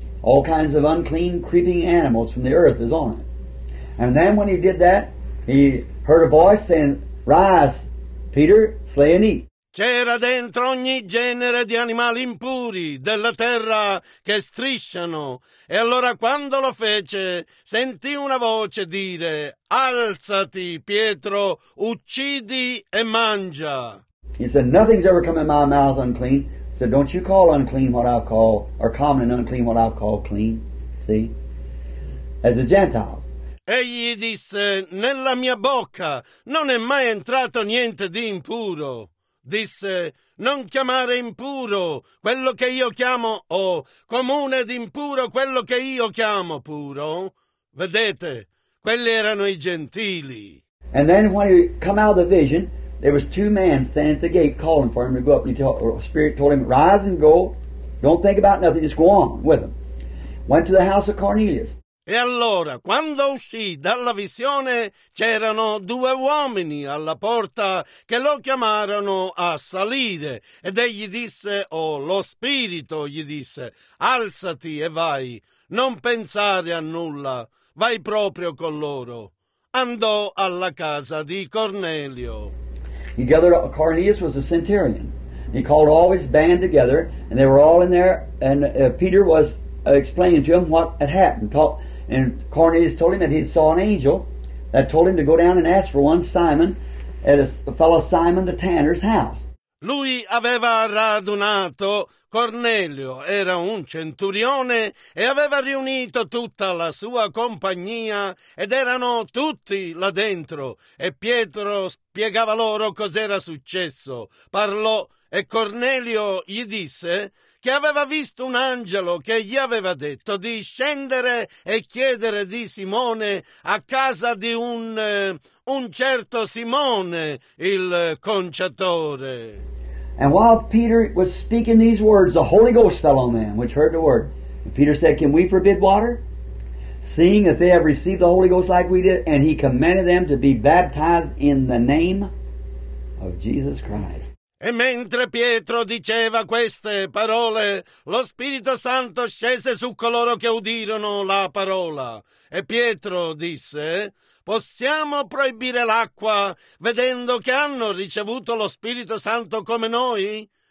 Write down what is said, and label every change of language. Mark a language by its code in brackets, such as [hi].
[en] All kinds of unclean creeping animals from the earth is on it. And then when he did that, he heard a voice saying, "Rise, Peter, slay and eat." [it] C'era dentro ogni genere di animali impuri della terra che strisciano. E allora quando lo fece, sentì una voce dire, "Alzati, Pietro, uccidi e mangia." [en] He said, "Nothing's ever come in my mouth unclean." He said, "Don't you call unclean what I've called, or common and unclean what I've called clean." See? As a Gentile. [it] Egli disse, "Nella mia bocca non è mai entrato niente di impuro." Disse, "Non chiamare impuro quello che io chiamo comune ed impuro quello che io chiamo puro." Vedete, quelli erano i gentili. [en] And then when he come out of the vision, there was two men standing at the gate calling for him to go up. And the Spirit told him, "Rise and go. Don't think about nothing. Just go on with him." Went to the house of Cornelius. [it] E allora, quando uscì dalla visione, c'erano due uomini alla porta che lo chiamarono a salire. Ed egli disse, lo Spirito gli disse, "Alzati e vai, non pensare a nulla, vai proprio con loro." Andò alla casa di Cornelio. [en] Cornelius was a centurion. He called all his band together, and they were all in there, and Peter was explaining to him what had happened. And Cornelius told him that he saw an angel that told him to go down and ask for one Simon at a fellow Simon the Tanner's house. [it] Lui aveva radunato, Cornelio era un centurione e aveva riunito tutta la sua compagnia ed erano tutti là dentro. E Pietro spiegava loro cos'era successo. Parlò e Cornelio gli disse che aveva visto un angelo che gli aveva detto di scendere e chiedere di Simone a casa di un certo Simone, il conciatore. [en] And while Peter was speaking these words, the Holy Ghost fell on them, which heard the word. And Peter said, "Can we forbid water, seeing that they have received the Holy Ghost like we did?" And he commanded them to be baptized in the name of Jesus Christ. [it] E mentre Pietro diceva queste parole, lo Spirito Santo scese su coloro che udirono la parola. E Pietro disse, "Possiamo proibire l'acqua, vedendo che hanno ricevuto lo Spirito Santo come noi?"